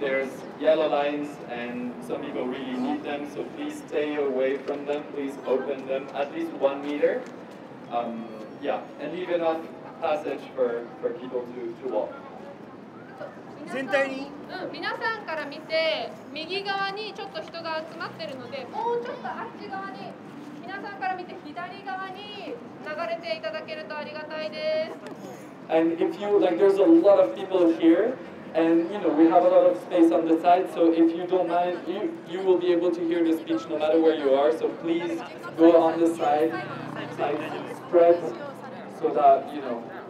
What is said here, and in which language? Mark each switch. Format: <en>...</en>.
<en>There's yellow lines and some people really need them. So please stay away from them. Please open them at least 1 meter. And leave enough passage for people to walk.</en> <ja>全体に、うん、皆さんから見て右側にちょっと人が集まってるのでもうちょっとあっち側に皆さんから見て左側に流れていただけるとありがたいです。</ja> <en>And if you like, there's a lot of people here, and you know we have a lot of space on the side. So if you don't mind, you will be able to hear the speech no matter where you are. So please go on the side, like spread, so that you know.</en>